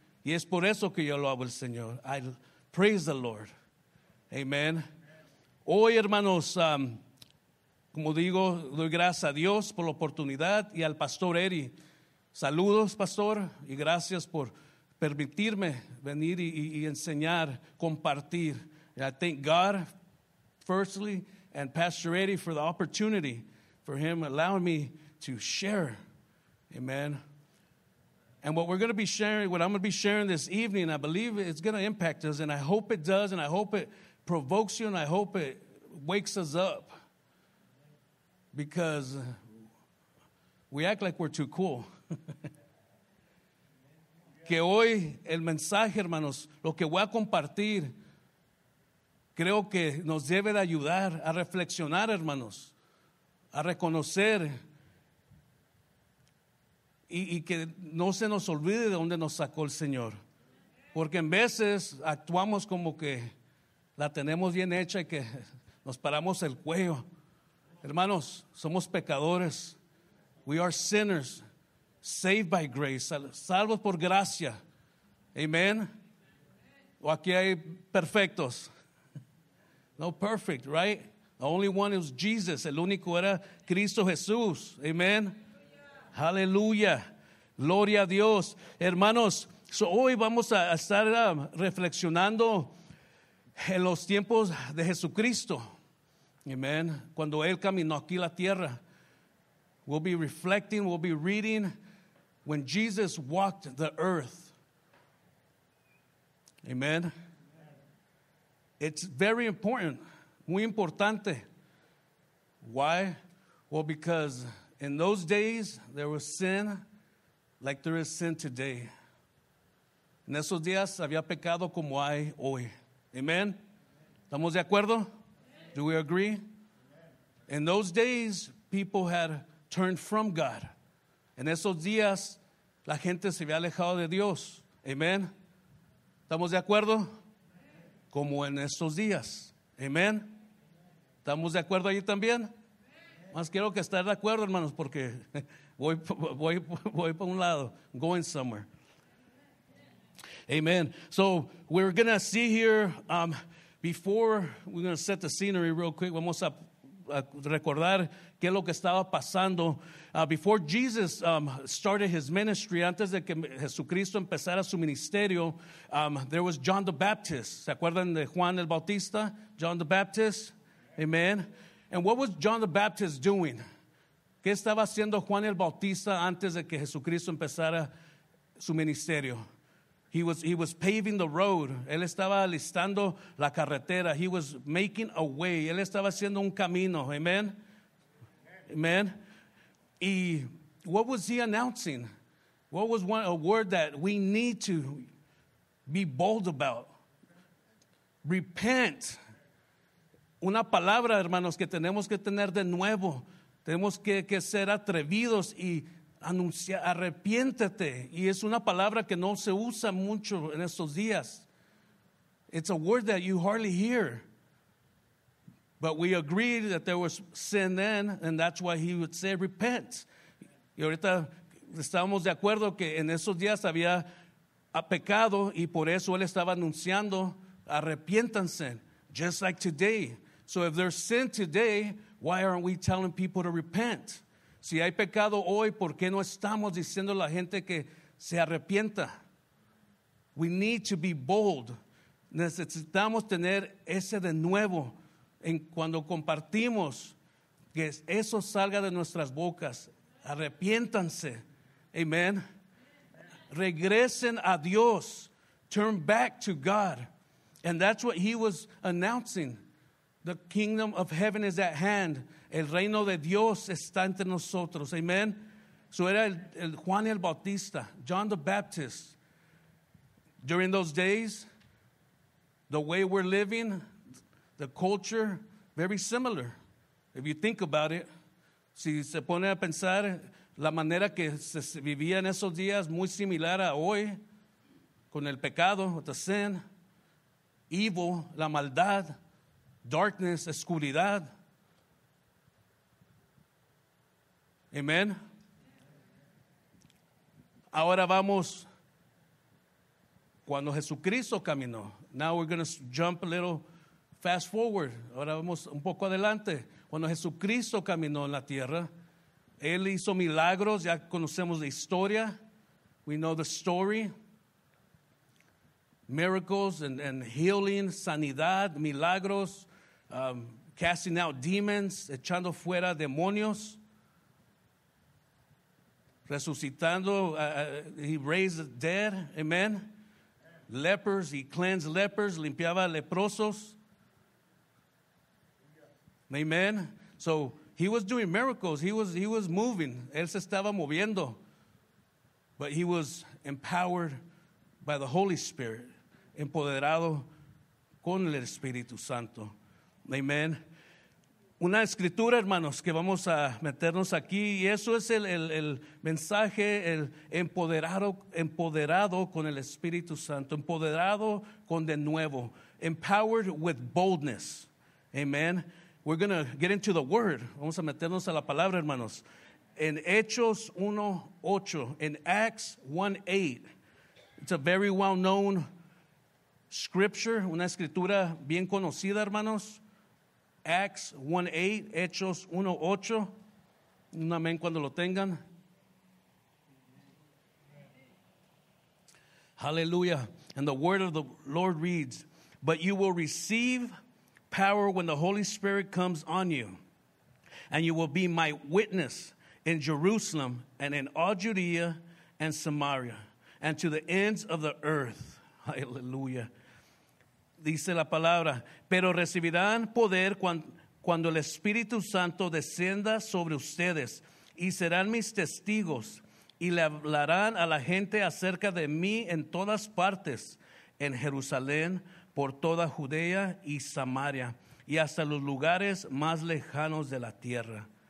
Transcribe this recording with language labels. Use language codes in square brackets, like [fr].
[es] Y es por eso que yo lo hago al Señor. [en] I praise the Lord. [es] Amen. Hoy, hermanos, como digo, doy gracias a Dios por la oportunidad y al Pastor Eri. Saludos, pastor, y gracias por permitirme venir y enseñar, compartir. [en] And I thank God, firstly, and Pastor Eddie for the opportunity, for him allowing me to share. Amen. And what we're going to be sharing, what I'm going to be sharing this evening, I believe it's going to impact us, and I hope it does, and I hope it provokes you, and I hope it wakes us up. Because we act like we're too cool. [es] Que hoy el mensaje, hermanos, lo que voy a compartir, creo que nos debe de ayudar a reflexionar, hermanos, a reconocer y que no se nos olvide de dónde nos sacó el Señor. Porque en veces actuamos como que la tenemos bien hecha y que nos paramos el cuello. Hermanos, somos pecadores. [en] We are sinners. Saved by grace, [es] salvos por gracia. [en] Amen. [es] O aquí hay perfectos. [en] No perfect, right? The only one is Jesus. [es] El único era Cristo Jesús. Amen. Hallelujah. Gloria a Dios. Hermanos, so hoy vamos a estar reflexionando en los tiempos de Jesucristo. Amen. Cuando Él caminó aquí la tierra. [en] We'll be reflecting, we'll be reading. When Jesus walked the earth. Amen. It's very important. [es] Muy importante. [en] Why? Well, because in those days, there was sin like there is sin today. [es] En esos días, había pecado como hay hoy. Amen? ¿Estamos de acuerdo? [en] Do we agree? In those days, people had turned from God. [es] En esos días, la gente se había alejado de Dios. Amen? ¿Estamos de acuerdo? Como en estos días. Amen? ¿Estamos de acuerdo ahí también? Más quiero que estar de acuerdo, hermanos, porque voy para un lado. [en] Going somewhere. Amen. So, we're going to see here, before we're going to set the scenery real quick, [es] vamos a recordar qué es lo que estaba pasando. [en] Before Jesus started his ministry, [es] antes de que Jesucristo empezara su ministerio, [en] there was John the Baptist. [es] ¿Se acuerdan de Juan el Bautista? [en] John the Baptist. Amen. And what was John the Baptist doing? [es] ¿Qué estaba haciendo Juan el Bautista antes de que Jesucristo empezara su ministerio? [en] He was paving the road. [es] Él estaba alistando la carretera. [en] He was making a way. [es] Él estaba haciendo un camino. [en] Amen. Amen. Y what was he announcing? What was one, a word that we need to be bold about? Repent. [es] Una palabra, hermanos, que tenemos que tener de nuevo. Tenemos que ser atrevidos y anunciar, arrepiéntete. Y es una palabra que no se usa mucho en estos días. [en] It's a word that you hardly hear. But we agreed that there was sin then, and that's why he would say, repent. [es] Y ahorita estábamos de acuerdo que en esos días había pecado, y por eso él estaba anunciando, arrepiéntanse, [en] just like today. So if there's sin today, why aren't we telling people to repent? [es] Si hay pecado hoy, ¿por qué no estamos diciendo a la gente que se arrepienta? [en] We need to be bold. [es] Necesitamos tener ese de nuevo. En cuando compartimos, que eso salga de nuestras bocas. Arrepiéntanse. Amen. Regresen a Dios. [en] Turn back to God. And that's what he was announcing. The kingdom of heaven is at hand. [es] El reino de Dios está entre nosotros. Amen. So era el Juan el Bautista, John the Baptist. [en] During those days, the way we're living, the culture, very similar. If you think about it, [es] si se pone a pensar, la manera que se vivía en esos días, muy similar a hoy, con el pecado, the sin, evil, la maldad, darkness, oscuridad. Amen. Ahora vamos cuando Jesucristo caminó. [en] Now we're going to jump a little fast forward. [es] Ahora vamos un poco adelante. Cuando Jesucristo caminó en la tierra, él hizo milagros. Ya conocemos la historia. [en] We know the story. Miracles and healing, sanidad, milagros. Casting out demons, [es] echando fuera demonios, [en] resucitando, he raised the dead, amen. Lepers, he cleansed lepers, [es] limpiaba leprosos, [en] amen. So he was doing miracles, he was moving, [es] él se estaba moviendo, [en] but he was empowered by the Holy Spirit, [es] empoderado con el Espíritu Santo. [en] Amen. [es] Una escritura, hermanos, que vamos a meternos aquí, y eso es el mensaje, el empoderado con el Espíritu Santo, empoderado con de nuevo, [en] empowered with boldness. Amen. We're going to get into the word. [es] Vamos a meternos a la palabra, hermanos. En Hechos 1:8, [en] in Acts 1:8, it's a very well-known scripture, [es] una escritura bien conocida, hermanos. Acts 1:8, Hechos 1:8. Un amén cuando lo tengan. Hallelujah. [en] And the word of the Lord reads, but you will receive power when the Holy Spirit comes on you, and you will be my witness in Jerusalem and in all Judea and Samaria and to the ends of the earth. Hallelujah. [es] dice la palabra, pero recibirán poder cuando el Espíritu Santo descienda sobre ustedes y serán mis testigos y le hablarán a la gente acerca de mí en todas partes, en Jerusalén, por toda Judea y Samaria y hasta los lugares más lejanos de la tierra.